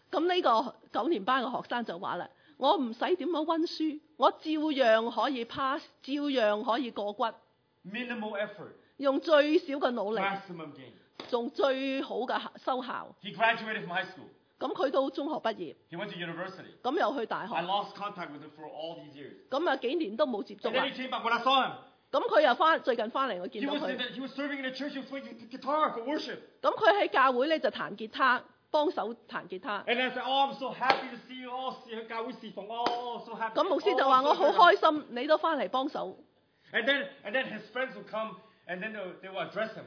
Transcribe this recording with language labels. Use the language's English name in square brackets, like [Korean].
[Cantonese] 咁呢个九年班嘅学生就话啦：，我唔使点样温书，我照样可以 pass， 照样可以过骨。 [English] Minimal effort， [Cantonese] 用最少嘅努力。 [English] Maximum gain。 [Cantonese] 仲最好嘅收效。 [English] He graduated from high school。 [Cantonese] 咁佢到中學畢業。 [English] He went to university。 [Cantonese] 咁又去大學。 [English] I lost contact with him for all these years。 [Cantonese] 咁啊幾年都冇接觸。 [English] And then he came back when I saw him。 [Cantonese] 咁佢又最近翻嚟，我見到佢。 [English] He was serving in a church playing guitar for worship。 [Cantonese] 咁佢喺教會咧就彈吉他，幫手彈吉他。 [English] And then I said, "Oh, I'm so happy to see you all here, [Cantonese] 教會侍奉 [English] Oh, so happy." [Cantonese] 咁牧師就話：我好開心，你都翻嚟幫手。 [English] And then his friends will come, and then they will address him.